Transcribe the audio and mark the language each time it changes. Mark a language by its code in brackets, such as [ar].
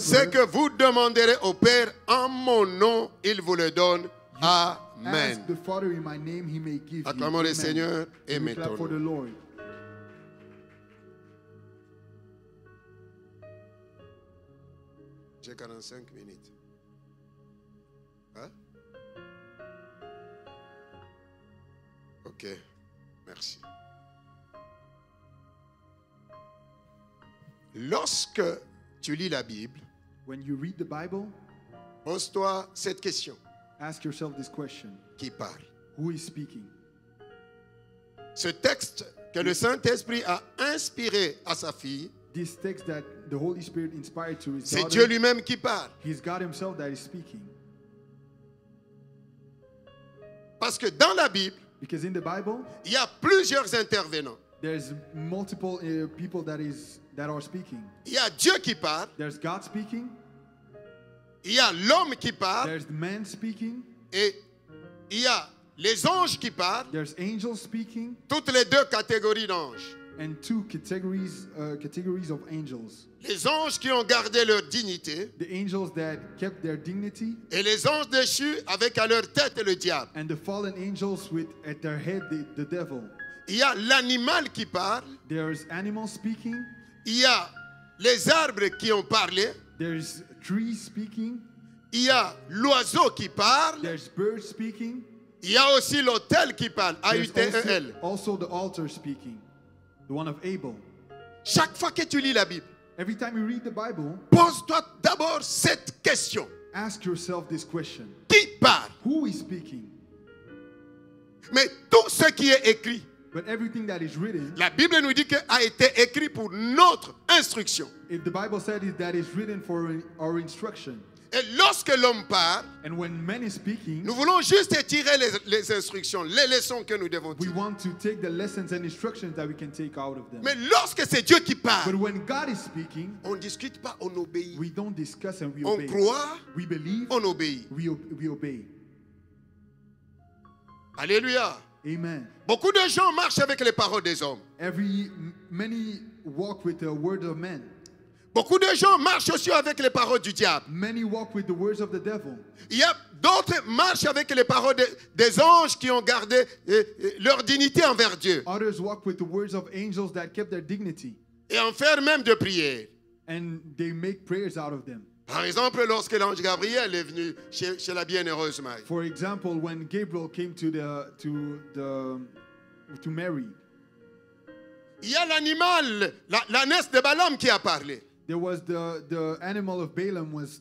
[fr] Ce que vous demanderez au Père en mon nom, il vous le donne. [en] Amen. Ask the Father in my name, he may give. [fr] Acclamons [en] you. [fr] Le Seigneur et mettons-nous. J'ai 45 minutes. Hein? Ok, merci. Lorsque tu lis la Bible, [en] when you read the Bible, [fr] pose-toi cette question. [en] Ask yourself this question. [fr] Qui parle? [en] Who is speaking? [fr] Ce texte que le Saint-Esprit a inspiré à sa fille. [en] This text that the Holy Spirit inspired to his daughter. [fr] C'est Dieu lui-même qui parle. [en] He's God himself that is speaking. [fr] Parce que dans la Bible, [en] because in the Bible, [fr] il y a plusieurs intervenants. [en] There's multiple people that are speaking. [fr] Il y a Dieu qui parle. [en] There's God speaking. [fr] Il y a l'homme qui parle. [en] There's the man speaking. [fr] Et il y a les anges qui parlent. [en] There's angels speaking. [fr] Toutes les deux catégories d'anges. [en] And two categories of angels. [fr] Les anges qui ont gardé leur dignité. [en] The angels that kept their dignity. [fr] Et les anges déchus avec à leur tête le diable. [en] And the fallen angels with at their head the devil. [fr] Il y a l'animal qui parle. [en] There's animals speaking. [fr] Il y a les arbres qui ont parlé. [en] There's trees speaking. [fr] Il y a l'oiseau qui parle. [en] There's birds speaking. [fr] Il y a aussi l'autel qui parle. A-U-T-E-L. [en] Also the altar speaking. The one of Abel. [fr] Chaque fois que tu lis la Bible, [en] every time you read the Bible, [fr] pose-toi d'abord cette question. [en] Ask yourself this question. [fr] Qui parle? [en] Who is speaking? [fr] Mais tout ce qui est écrit, [en] but everything that is written, [fr] la Bible nous dit que a été écrit pour notre instruction. [en] If the Bible said it, that is written for our instruction. [fr] Et lorsque l'homme parle, [en] and when man is speaking, [fr] nous voulons juste étirer les instructions, les leçons que nous devons tirer. [en] We want to take the lessons and instructions that we can take out of them. [fr] Mais lorsque c'est Dieu qui parle, [en] but when God is speaking, [fr] on discute pas, on obéit. [en] We don't discuss and we [fr] on [en] obey. [fr] On croit, [en] we believe, [fr] on obéit. [en] We obey. [fr] Alléluia. [en] Amen. [fr] Beaucoup de gens marchent avec les paroles des hommes. [en] Many walk with the word of men. [fr] Beaucoup de gens marchent aussi avec les paroles du diable. [en] Many walk with the words of the devil. [fr] Il y a d'autres marchent avec les paroles des anges qui ont gardé leur dignité envers Dieu. [en] Others walk with the words of angels that kept their dignity. [fr] Et en faire même de prières. [en] And they make prayers out of them. [fr] Par exemple, lorsque l'ange Gabriel est venu chez la bienheureuse Marie. [en] For example, when Gabriel came to Mary. [fr] Il y a l'animal, l'ânesse de Balaam qui a parlé. [en] There was the animal of Balaam was.